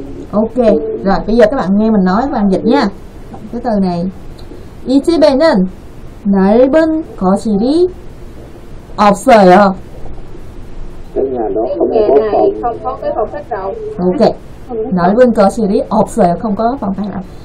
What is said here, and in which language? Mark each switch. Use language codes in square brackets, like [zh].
[vi] Ok, rồi bây giờ các bạn nghe mình nói và dịch nha. Cái từ này. [ko] 이 집에는 넓은 거실이 없어요. [vi] Cái nhà đó không có phòng. [ko] Ok. 넓은 거실이 없어요. [vi] Không có phòng khách nào.